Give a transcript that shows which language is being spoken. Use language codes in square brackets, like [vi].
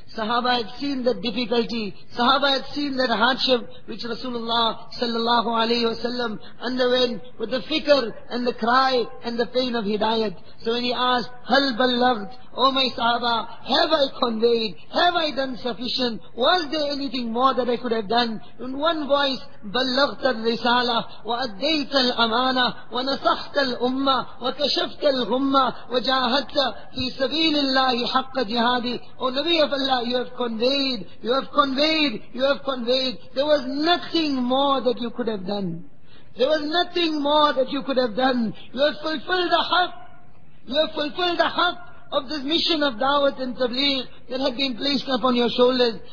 [en] Sahaba had seen that difficulty. Sahaba had seen that hardship which Rasulullah sallallahu alayhi wasallam underwent with the fikr and the cry and the pain of hidayat. So when he asked, Hal ballagd, O my Sahaba, have I conveyed? Have I done sufficient? Was there anything more that I could have done? In one voice, [ar] بَلَّغْتَ الرِّسَالَةِ وَأَدَّيْتَ الْأَمَانَةِ وَنَصَحْتَ الْأُمَّةِ وَكَشَفْتَ الْغُمَّةِ وَجَاهَدْتَ فِي سَبِيلِ اللَّهِ حَقَّ جِهَادِ. [en] O Nabi of Allah, you have conveyed, you have conveyed, you have conveyed. There was nothing more that you could have done. There was nothing more that you could have done. You have fulfilled the haq. You have fulfilled the haq of this mission of Dawat and Tabligh that had been placed upon your shoulders.